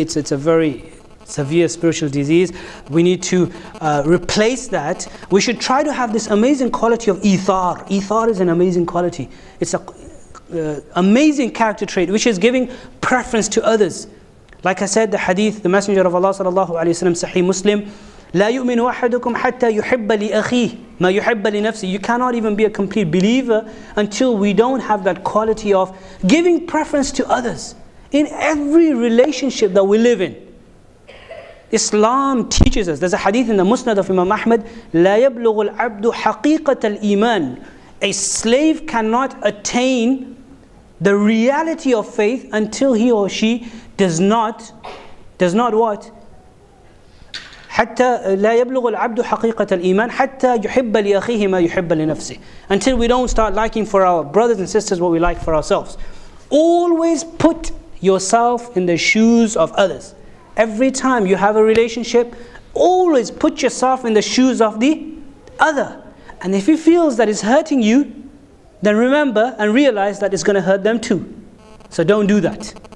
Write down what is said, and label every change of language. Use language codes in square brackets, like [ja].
[en] It's a very severe spiritual disease. We need to replace that. We should try to have this amazing quality of ithar. Ithar is an amazing quality. It's an amazing character trait, which is giving preference to others. Like I said, the hadith, the Messenger of Allah sallallahu alayhi wa sallam, Sahih Muslim, [ar] لا يؤمن أحدكم حتى يحب لأخيه ما يحب لنفسه. [en] You cannot even be a complete believer until we don't have that quality of giving preference to others in every relationship that we live in. Islam teaches us. There's a hadith in the Musnad of Imam Ahmad. [ar] لا يبلغ العبد حقيقة الإيمان. [en] A slave cannot attain the reality of faith until he or she does not what? [ar] حتى لا يبلغ العبد حقيقة الإيمان حتى يحب لأخيه ما يحب لنفسه. [en] Until we don't start liking for our brothers and sisters what we like for ourselves. Always put yourself in the shoes of others. Every time you have a relationship, always put yourself in the shoes of the other. And if he feels that it's hurting you, then remember and realize that it's going to hurt them too. So don't do that.